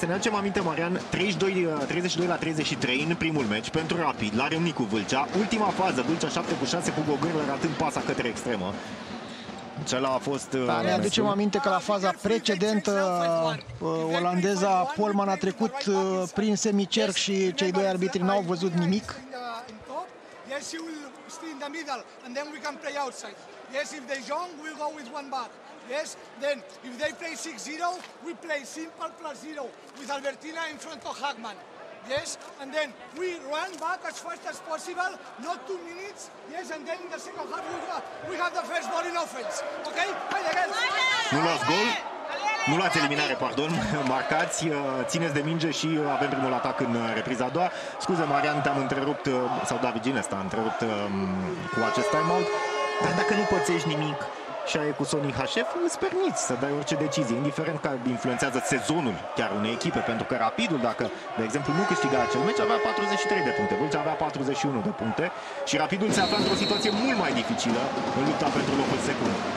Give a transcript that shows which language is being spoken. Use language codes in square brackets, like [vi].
[ro] Să ne aducem aminte, Marian, 32-33 în primul meci pentru Rapid la Râmnicu Vâlcea. Ultima fază, Vâlcea 7-6 cu Gogârlă ratând pasa către extremă. Cela a fost, da, ne aducem aminte că la faza precedentă olandeza Polman a trecut prin semicerc și cei doi arbitri n-au văzut nimic. [en] Yes, he will stay in the middle and then we can play outside. Yes, if they jong, we go with one back. Yes, then if they play 6-0, we play simple plus 0 with Albertina in front of Hagman. Yes, and then we run back as fast as possible, not 2 minutes. Yes, and then in the second half we have the first ball in offense. Okay? Haide, guys! [ro] Nu luați gol, nu luați eliminare, pardon, marcați, țineți de minge și avem primul atac în repriza a doua. Scuze, Marian, te-am întrerupt, sau David Ginesta a întrerupt cu acest timeout, dar dacă nu pățești nimic și aia e cu Sony HF, îți permiți să dai orice decizie, indiferent că influențează sezonul chiar unei echipe, pentru că Rapidul, dacă, de exemplu, nu câștiga acel meci, avea 43 de puncte, Vâlcea avea 41 de puncte și Rapidul se afla într-o situație mult mai dificilă în lupta pentru locul secund.